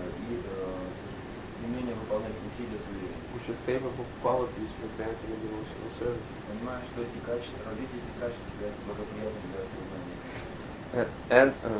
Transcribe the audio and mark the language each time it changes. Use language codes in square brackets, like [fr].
[ru] И стремление выполнять усилия с уверенностью. [en] Which are favorable qualities for advancing in devotional service. [ru] Понимаю, что эти качества, развитие этих качеств является благоприятным для сознания.